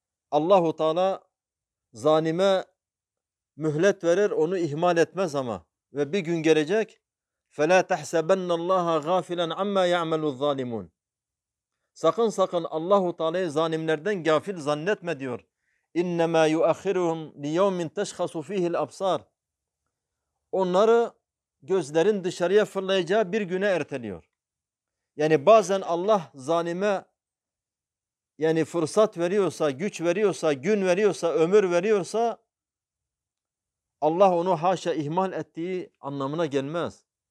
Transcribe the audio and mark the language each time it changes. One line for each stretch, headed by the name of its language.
Turkish: Allah-u Teala zanime mühlet verir, onu ihmal etmez ama. Ve bir gün gelecek.
Arabic: فَلَا تَحْسَبَنَّ اللّٰهَ غَافِلًا عَمَّا يَعْمَلُ الظَّالِمُونَ.
Turkish: Sakın sakın Allah-u Teala'yı zanimlerden gafil zannetme diyor.
Arabic: اِنَّمَا يُؤَخِرُهُمْ لِيَوْمٍ تَشْخَصُ ف۪يهِ الْأَبْصَارِ.
Turkish: Onları gözlerin dışarıya fırlayacağı bir güne erteliyor. Yani bazen Allah zalime yani fırsat veriyorsa, güç veriyorsa, gün veriyorsa, ömür veriyorsa Allah onu haşa ihmal ettiği anlamına gelmez.